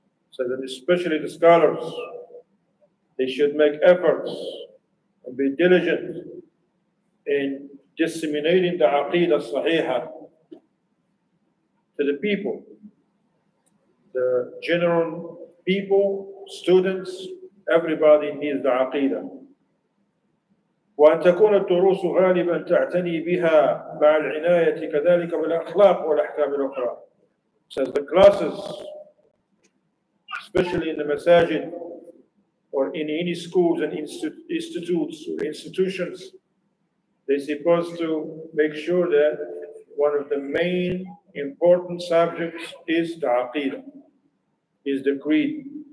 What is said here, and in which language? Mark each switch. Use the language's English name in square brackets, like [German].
[English] So that especially the scholars, they should make efforts and be diligent in disseminating the عَقِيدَ الصَّحِيحَ to the people, the general people, students. Everybody needs the عقيدة. [Arabic] وأن تكون الدروس غالبا تعتني بها مع العناية كذلك بالأخلاق والأحكام الأخرى. [English] Says the classes, especially in the masajid or in any schools and institutes or institutions, they're supposed to make sure that one of the main important subjects is the عقيدة, is the creed.